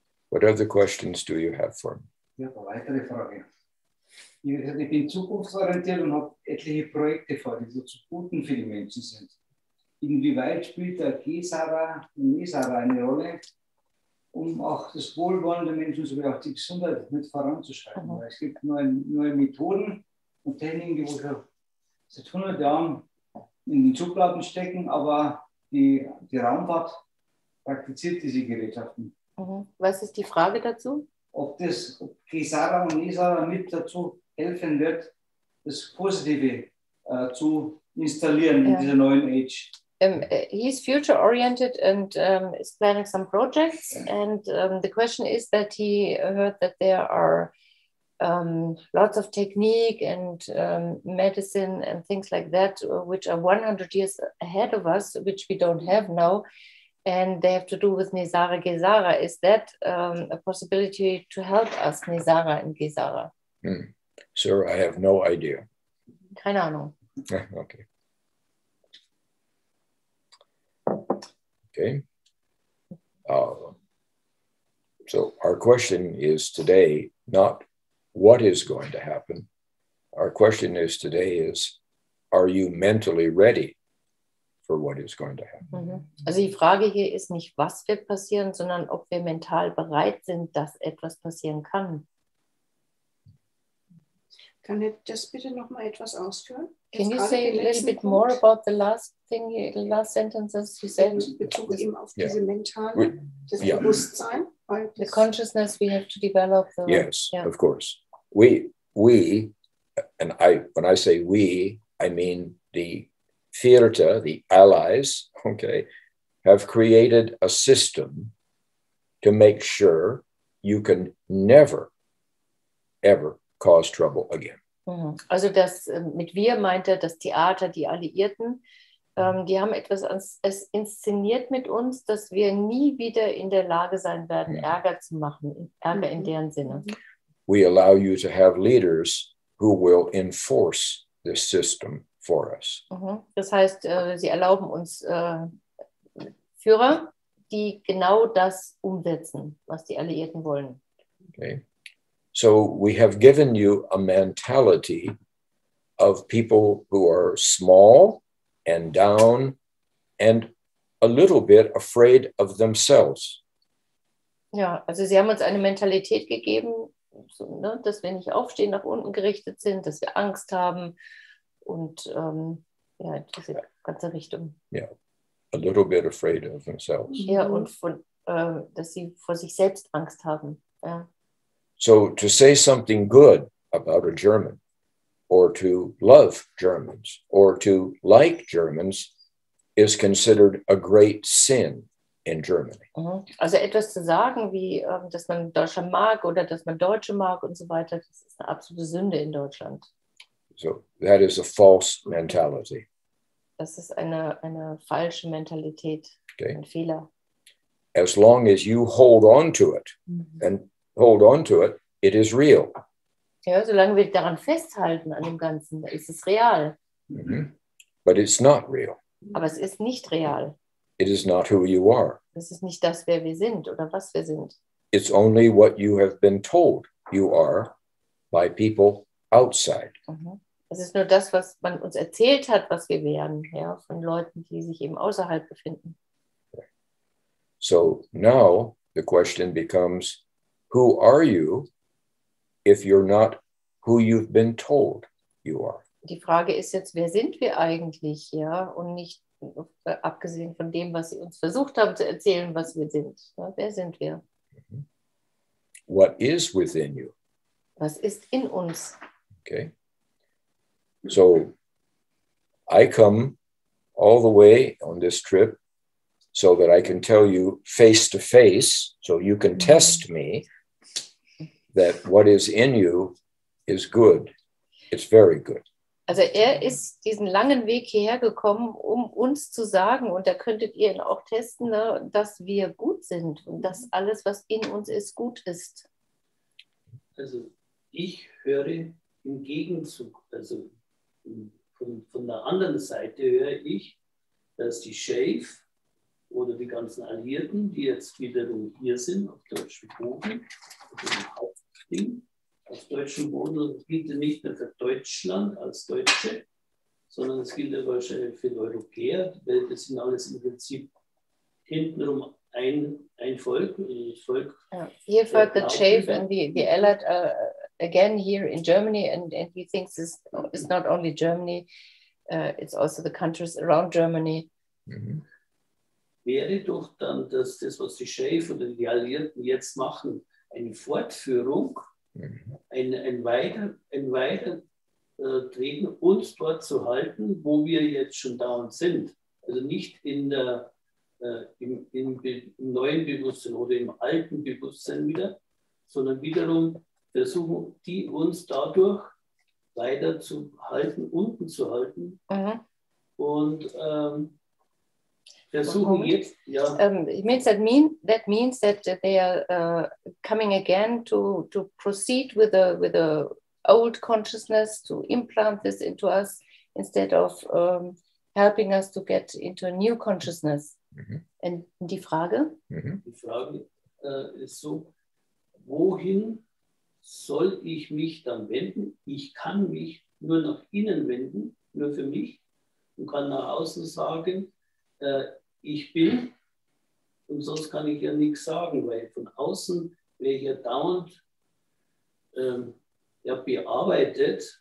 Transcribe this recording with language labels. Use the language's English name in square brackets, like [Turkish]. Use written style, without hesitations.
[English] What other questions do you have for me? [German] Ja, weitere Fragen. Ich bin zukunftsorientiert und habe etliche Projekte vor, die so zu guten für die Menschen sind. Inwieweit spielt der Gesara und Mesara eine Rolle, um auch das Wohlwollen der Menschen sowie auch die Gesundheit mit voranzuschreiten? Mhm. Weil es gibt neue Methoden und Techniken, die wir seit 100 Jahren in den Schubladen stecken, aber die Raumfahrt praktiziert diese Gerätschaften. Mhm. Was ist die Frage dazu? Ob Gesara und Mesara mit dazu helfen wird, das Positive zu installieren in dieser neuen Age. [English] He's future oriented and is planning some projects. And the question is that he heard that there are lots of technique and medicine and things like that, which are 100 years ahead of us, which we don't have now. And they have to do with Nisara Gesara. Is that a possibility to help us, Nisara and Gesara? Mm. Sir, I have no idea. [German] Keine Ahnung. [English] Okay. Okay. So our question is today not what is going to happen. Our question is today is, are you mentally ready for what is going to happen? [German] Also die Frage hier ist nicht, was wird passieren, sondern ob wir mental bereit sind, dass etwas passieren kann. Kann ich das bitte noch mal etwas ausführen? [English] Can you say a little bit more about the last thing, the last sentences you said? [German] In Bezug eben auf diese mentale, das Bewusstsein. [English] The consciousness we have to develop. Yes, of course. We, and I, when I say we, I mean the theater, the allies, okay, have created a system to make sure you can never, ever cause trouble again. [German] Also das mit wir meint er das Theater, die Alliierten, die haben etwas es inszeniert mit uns, dass wir nie wieder in der Lage sein werden, Ärger zu machen, Ärger in deren Sinne. [English] We allow you to have leaders who will enforce this system for us. [German] Das heißt, sie erlauben uns Führer, die genau das umsetzen, was die Alliierten wollen. [English] Okay. So we have given you a mentality of people who are small and down and a little bit afraid of themselves. [German] Ja, also sie haben uns eine Mentalität gegeben, so, ne, dass wir nicht aufstehen, nach unten gerichtet sind, dass wir Angst haben und diese ganze Richtung. [English] Yeah, a little bit afraid of themselves. [German] Ja, und von, dass sie vor sich selbst Angst haben, ja. [English] So to say something good about a German or to love Germans or to like Germans is considered a great sin in Germany. [German] Also etwas zu sagen, wie dass man Deutschland mag oder dass man Deutsche mag und so weiter, das ist eine absolute Sünde in Deutschland. [English] So that is a false mentality. [German] Das ist eine falsche Mentalität, okay. Ein Fehler. [English] As long as you hold on to it and hold on to it, it is real. [German] Ja, solange wir daran festhalten, an dem Ganzen, ist es real. [English] Mm-hmm. But it's not real. [German] Aber es ist nicht real. [English] It is not who you are. [German] Es ist nicht das, wer wir sind oder was wir sind. [English] It's only what you have been told you are by people outside. Mm-hmm. [German] Es ist nur das, was man uns erzählt hat, was wir werden, ja, von Leuten, die sich eben außerhalb befinden. [English] So now the question becomes, who are you if you're not who you've been told you are? [German] Die Frage ist jetzt, wer sind wir eigentlich, ja, und nicht abgesehen von dem, was sie uns versucht haben zu erzählen, was wir sind. Ja, wer sind wir? [English] What is within you? [German] Was ist in uns? [English] Okay. So I come all the way on this trip so that I can tell you face to face, so you can test me that what is in you is good. It's very good. [German] Also er ist diesen langen Weg hierher gekommen, um uns zu sagen, und da könntet ihr ihn auch testen, ne, dass wir gut sind und dass alles, was in uns ist, gut ist. Also ich höre im Gegenzug, also von der anderen Seite höre ich, dass die Schaef oder die ganzen Alliierten, die jetzt wiederum hier sind, auf deutschem Boden, auf deutschem Boden, das gilt ja nicht mehr für Deutschland als Deutsche, sondern es gilt ja wahrscheinlich für die Europäer, weil das sind alles im Prinzip hintenrum ein Volk. Volk ja. [English] Here folk the Schaef and the Allied again here in Germany, and he thinks it's not only Germany, it's also the countries around Germany. Mhm. [German] Wäre doch dann, dass das, was die Schaef oder die Alliierten jetzt machen, eine Fortführung, ein Weitertreten, uns dort zu halten, wo wir jetzt schon da und sind. Also nicht in der im neuen Bewusstsein oder im alten Bewusstsein wieder, sondern wiederum versuchen, die uns dadurch weiter zu halten, unten zu halten. Mhm. Und [English] It means that means that they are coming again to proceed with a old consciousness, to implant this into us instead of helping us to get into a new consciousness. [German] Mm-hmm. And die Frage? Mm-hmm. Die Frage ist so: Wohin soll ich mich dann wenden? Ich kann mich nur nach innen wenden, nur für mich, und kann nach außen sagen, ich bin, und sonst kann ich ja nichts sagen, weil von außen wäre ich ja dauernd bearbeitet,